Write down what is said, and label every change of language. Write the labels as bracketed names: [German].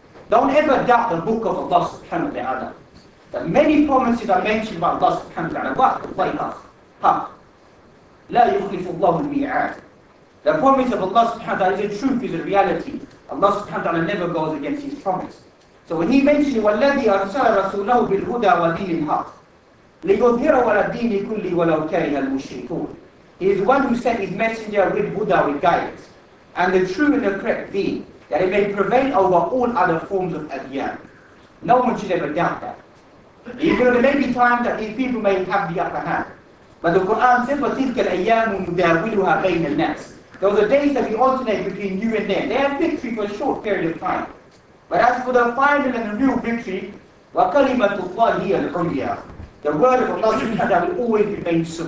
[English] Don't ever doubt the book of Allah subhanahu wa ta'ala. The many promises are mentioned about Allah subhanahu wa ta'ala. [Arabic] لَا يُخْلِفُ اللَّهُ الْمِيعَادِ. [English] The promise of Allah subhanahu wa ta'ala is a truth, is a reality. Allah subhanahu wa ta'ala never goes against His promise. So when he mentioned, [Arabic] وَالَّذِي أَرْسَلَ رَسُولَهُ بِالْهُدَى وَدِينِ الْحَقِّ لِيُظْهِرَهُ عَلَى الدِّينِ كُلِّهِ وَلَوْ كَرِهَ الْمُشْرِكُونَ. [English] He is one who sent his messenger with Buddha, with guidance, and the true and the correct deen, that it may prevail over all other forms of adhyan. No one should ever doubt that. Even there may be times that these people may have the upper hand. But the Quran says, [Arabic] وَتِلْكَ الْأَيَّامُ نُدَاوِلُهَا بَيْنَ النَّاسِ. [English] Those are days that we alternate between you and them. They have victory for a short period of time. But as for the final and the real victory, [Arabic] وَكَلِمَةُ اللَّهِ هِيَ الْعُلْيَا. [English] The word of Allah will always remain supreme.